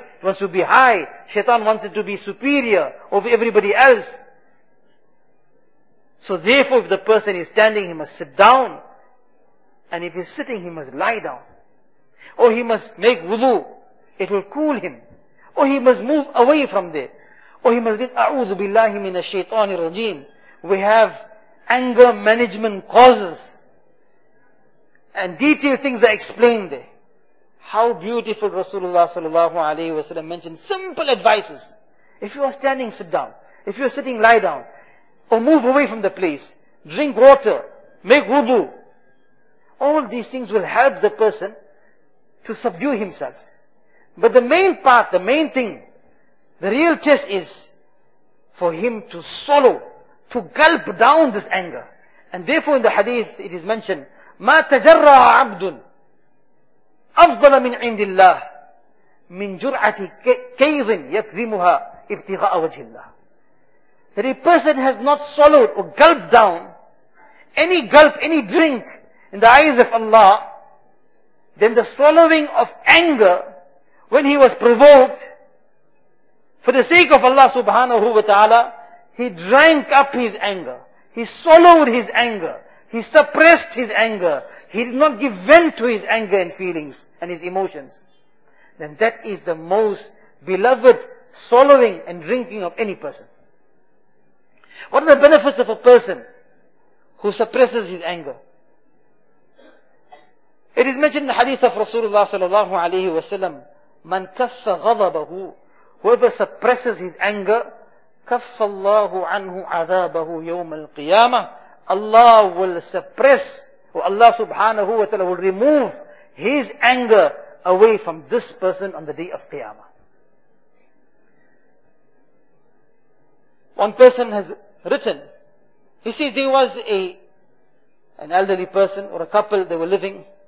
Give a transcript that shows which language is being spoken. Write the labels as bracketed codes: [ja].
[en] He wants to be high. Shaitan wants it to be superior over everybody else. So therefore, if the person is standing, he must sit down. And if he is sitting, he must lie down. Or he must make wudu. It will cool him. Or he must move away from there. Or he must read, [ar] أعوذ بالله من الشيطان الرجيم. [en] We have anger management causes. And detailed things are explained there. How beautiful Rasulullah sallallahu alayhi wa sallam mentioned simple advices. If you are standing, sit down. If you are sitting, lie down. Or move away from the place. Drink water. Make wudu. All these things will help the person to subdue himself. But the main part, the main thing, the real test is for him to swallow, to gulp down this anger. And therefore in the hadith it is mentioned, [ar] مَا تَجَرَّعَ عَبْدٌ أَفْضَلَ مِنْ عِنْدِ اللَّهِ مِنْ جُرْعَةِ كَيْضٍ يَكْذِمُهَا ابْتِغَاءَ وَجْهِ اللَّهِ. [en] That a person has not swallowed or gulped down any gulp, any drink in the eyes of Allah, then the swallowing of anger when he was provoked for the sake of Allah subhanahu wa ta'ala, he drank up his anger. He swallowed his anger. He suppressed his anger. He did not give vent to his anger and feelings and his emotions. Then that is the most beloved swallowing and drinking of any person. What are the benefits of a person who suppresses his anger? It is mentioned in the hadith of Rasulullah sallallahu alayhi wa sallam, [ar] مَنْ كَفَّ غَضَبَهُ. [en] Whoever suppresses his anger, [ar] كَفَّ اللَّهُ عَنْهُ عَذَابَهُ يَوْمَ الْقِيَامَةِ. [en] Allah will suppress, or Allah subhanahu wa ta'ala will remove his anger away from this person on the day of Qiyamah. One person has written, he says there was an elderly person or a couple, they were living.